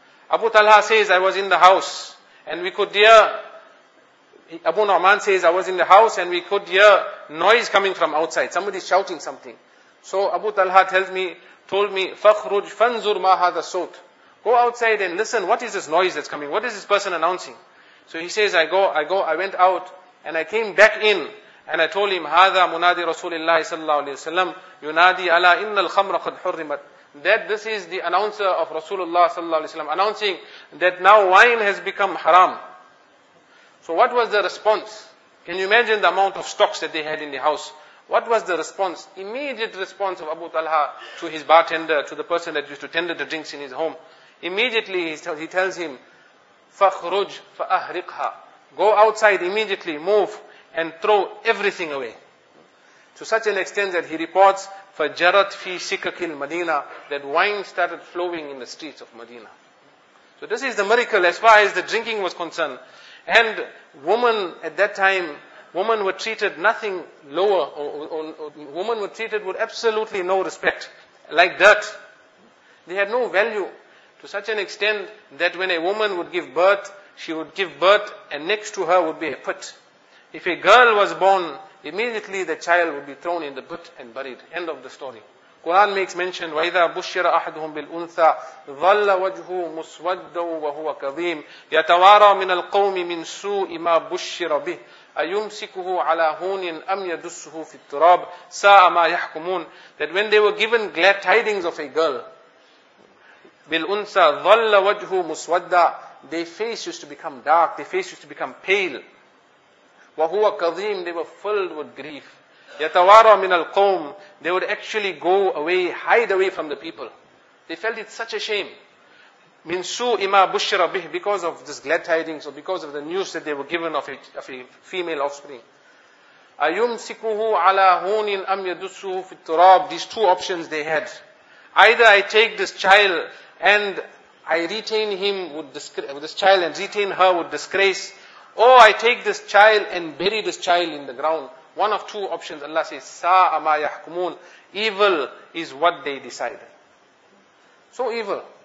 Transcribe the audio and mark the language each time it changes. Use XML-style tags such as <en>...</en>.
<en>Abu Talha says, I was in the house and we could hear, Abu Nu'man says, I was in the house and we could hear noise coming from outside. Somebody shouting something. So Abu Talha told me,</en> <ar>فَخْرُجْ فَنْزُرْ مَا هَذَا السَّوْتِ.</ar> <en>Go outside and listen, what is this noise that's coming? What is this person announcing? So he says, I went out and I came back in. And I told him,</en> <ar>هَذَا مُنَادِي رَسُولِ اللَّهِ صَلَّى اللَّهُ عَلَيْهِ وَسَلَّمْ يُنَادِي عَلَىٰ إِنَّ الْخَمْرَ قَدْ حُرِّمَتْ.</ar> <en>That this is the announcer of Rasulullah sallallahu alayhi wa sallam announcing that now wine has become haram. So what was the response? Can you imagine the amount of stocks that they had in the house? What was the response? Immediate response of Abu Talha to his bartender, to the person that used to tender the drinks in his home. Immediately he tells him,</en> <ar>فَخْرُجْ فَأَهْرِقْهَا.</ar> <en>Go outside immediately, move. And throw everything away. To such an extent that he reports,</en> <ar>فَجَرَتْ فِي سِكَكِ الْمَدِينَةِ.</ar> <en>That wine started flowing in the streets of Medina. So this is the miracle as far as the drinking was concerned. And women at that time, women were treated nothing lower. Women were treated with absolutely no respect. Like dirt. They had no value. To such an extent that when a woman would give birth, she would give birth and next to her would be a pit. If a girl was born, immediately the child would be thrown in the pit and buried. End of the story. Quran makes mention,</en> <ar>وَإِذَا بُشِّرَ أَحَدُهُمْ بِالْأُنْثَى ظَلَّ وَجْهُ مُسْوَدَّ وَهُوَ كَظِيمٌ يَتَوَارَى مِنَ الْقَوْمِ مِنْ سُوءِ مَا بُشِّرَ بِهِ أَيُمْسِكُهُ عَلَى هُونٍ أَمْ يَدُسُّهُ فِي التُّرَابِ سَاءَ مَا يَحْكُمُونَ.</ar> <en>That when they were given glad tidings of a girl,</en> <ar>بِالْأُنْثَى ظَلَّ وَجْهُ مُسْوَدَّ,</ar> <en>their face used to become dark, their face used to become pale.</en> <ar>وَهُوَ كَظِيمٌ,</ar> <en>they were filled with grief.</en> <ar>يَتَوَارَى مِنَ الْقَوْمِ,</ar> <en>they would actually go away, hide away from the people. They felt it such a shame.</en> <ar>مِنْ سُوءِ مَا بُشِّرَ بِهِ,</ar> <en>because of this glad tidings, or because of the news that they were given of a female offspring.</en> <ar>أَيُمْسِكُهُ عَلَى هُونٍ أَمْ يَدُسُّهُ فِي التُّرَابِ,</ar> <en>these two options they had. Either I take this child and I retain him with this child and retain her with disgrace, or I take this child and bury this child in the ground. One of two options, Allah says,</en> <ar>سَاءَ مَا يَحْكُمُونَ,</ar> <en>evil is what they decide. So evil.</en>